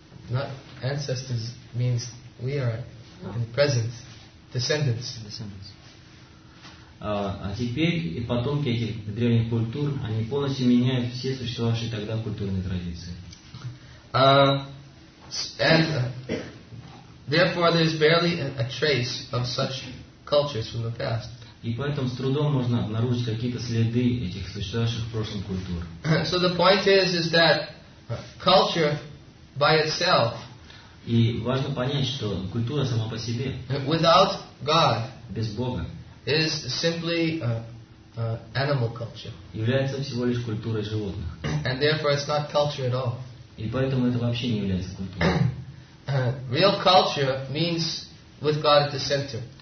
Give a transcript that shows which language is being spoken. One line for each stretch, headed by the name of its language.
English: Not ancestors means we are in the present. Descendants.
Russian: А теперь и потомки этих древних культур, они полностью меняют все существовавшие тогда культурные традиции.
English: And therefore, there is barely a trace of such cultures from the past.
Russian: И поэтому с трудом можно обнаружить какие-то следы этих существовавших в прошлом культур.
English: So the point is that culture by itself.
Russian: И важно понять, что культура сама по себе.
English: Without God.
Russian: Без Бога.
English: Is simply animal culture.
Russian: Является всего лишь культурой животных.
English: And therefore it's not culture at all.
Russian: И поэтому это вообще не является культурой.
English: Real culture means with God at the center.